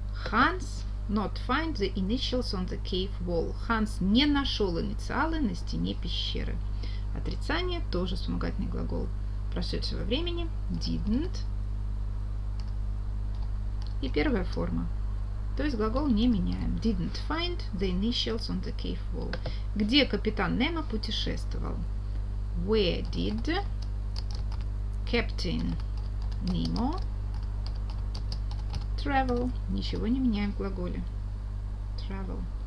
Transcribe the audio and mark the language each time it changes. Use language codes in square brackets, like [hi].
[en] Hans not find the initials on the cave wall. [ru] Hans не нашел инициалы на стене пещеры. Отрицание тоже вспомогательный глагол прошедшего времени. [en] Didn't. [ru] И первая форма. То есть глагол не меняем. [en] Didn't find the initials on the cave wall. [ru] Где капитан Немо путешествовал? [en] Where did Captain Nemo travel? [ru] Ничего не меняем в глаголе. [en] Travel.